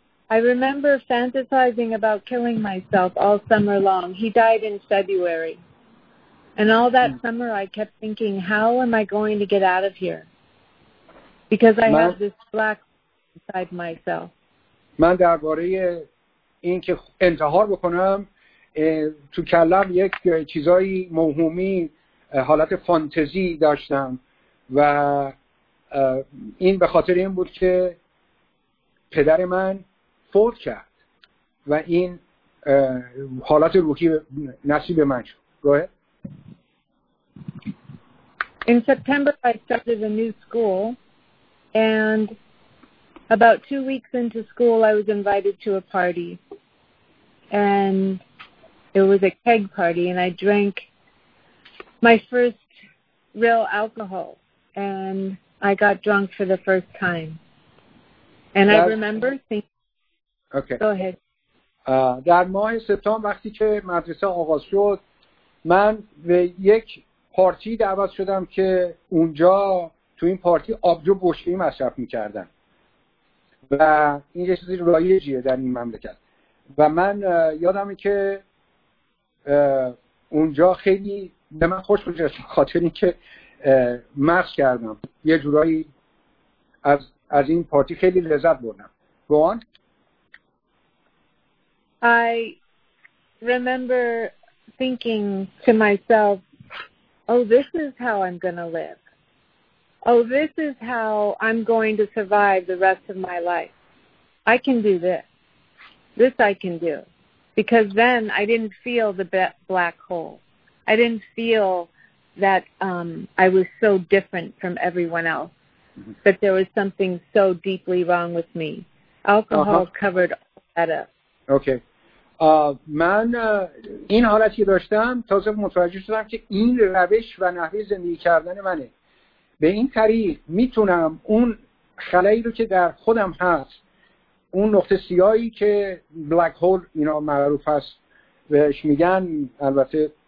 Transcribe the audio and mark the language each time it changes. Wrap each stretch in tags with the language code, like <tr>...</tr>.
<en>I remember fantasizing about killing myself all summer long. He died in February. And all that summer I kept thinking, how am I going to get out of here? Because I have this black inside myself.</en> <fa>من درباره این که انتحار بکنم تو کلم یک چیزای موهومی حالت فانتزی داشتم و این به خاطر این بود که پدر من فوت کرد و این حالت روحی نصیب من شد.</fa> <en>Go ahead. In September I started a new school and about 2 weeks into school, I was invited to a party, and it was a keg party, and I drank my first real alcohol, and I got drunk for the first time. And I remember thinking, okay. Go ahead.</en> <fa>در ماه سپتامبر وقتی که مدرسه آغاز شد, من به یک پارتی دعوت شدم که اونجا تو این پارتی آبجو بشکه‌ای مصرف می‌کردن. و این یه چیزی رایجیه در این مملکت و من یادمه که اونجا خیلی به من خوش گذشت خاطر اینکه مست کردم یه جورایی از این پارتی خیلی لذت بردم.</fa> <en>Go on. I remember thinking to myself, oh, this is how I'm gonna live. Oh, this is how I'm going to survive the rest of my life. I can do this. This I can do. Because then I didn't feel the black hole. I didn't feel that I was so different from everyone else. Mm-hmm. But there was something so deeply wrong with me. Alcohol covered all that up. Okay.</en> <fa>من این حالتی داشتم تازه متوجه شدم که این روش و نحوه زندگی کردن منه. به این طریق میتونم اون خلایی رو که در خودم هست, اون نقطه سیاهی که بلک هول اینا معروف هست بهش میگن, البته</fa>